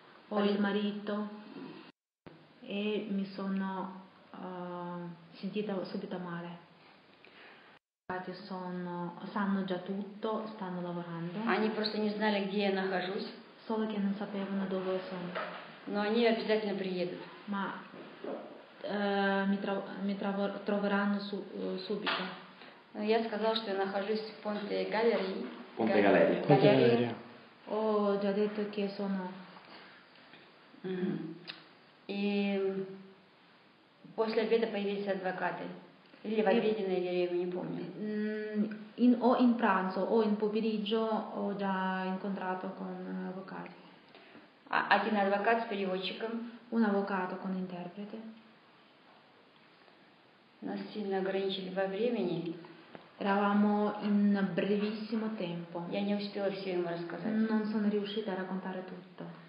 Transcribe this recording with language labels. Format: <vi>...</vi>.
<it>ho il marito e mi sono sentita subito male. Infatti sanno già tutto, stanno lavorando.</it> <ru>Они просто не знали, где я нахожусь.</ru> <it>Solo che non sapevano dove sono.</it> <ru>Но они обязательно приедут.</ru> <it>Ma mi troveranno subito.</it> <ru>Я сказала, что я нахожусь в Понте Галерии. Понте Галерии. Понте Галерии.</ru> <it>Ho già detto che sono.</it> <ru>И после обеда появились адвокаты. Или в обеденное время, не помню.</ru> <it>In pranzo o in pomeriggio ho già incontrato con avvocati.</it> <ru>Один адвокат с переводчиком.</ru> <it>Un avvocato con interprete.</it> <ru>Нас сильно ограничили во времени.</ru> <it>Eravamo in brevissimo tempo.</it> <ru>Я не успела все ему рассказать.</ru> <it>Non sono riuscita a raccontare tutto.</it>